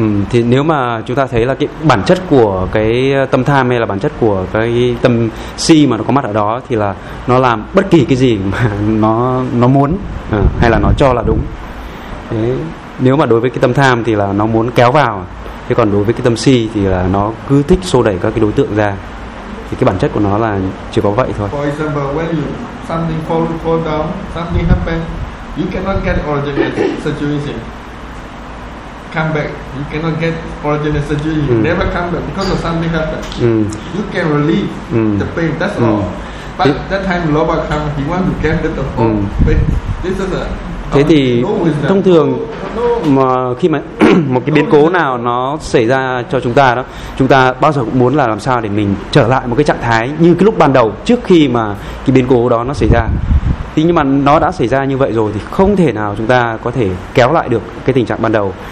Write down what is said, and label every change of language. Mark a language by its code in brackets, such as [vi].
[vi] Thì nếu mà chúng ta thấy là cái bản chất của cái tâm tham hay là bản chất của cái tâm si mà nó có mặt ở đó, thì là nó làm bất kỳ cái gì mà nó muốn hay là nó cho là đúng. Thế, nếu mà đối với cái tâm tham thì là nó muốn kéo vào, thế còn đối với cái tâm si thì là nó cứ thích xô đẩy các cái đối tượng ra, thì cái bản chất của nó là chỉ có vậy thôi. [en] For example, when you something fall down, something happened, you cannot get original situation. Come back, you cannot get original situation. You never come back because of something happened. You can relieve the pain. That's all. But that time, Loba come, he want to get rid of all pain. This is a. [vi] Thế thì thông thường mà khi mà một cái biến cố nào nó xảy ra cho chúng ta đó, chúng ta bao giờ cũng muốn là làm sao để mình trở lại một cái trạng thái như cái lúc ban đầu trước khi mà cái biến cố đó nó xảy ra. Thế nhưng mà nó đã xảy ra như vậy rồi thì không thể nào chúng ta có thể kéo lại được cái tình trạng ban đầu.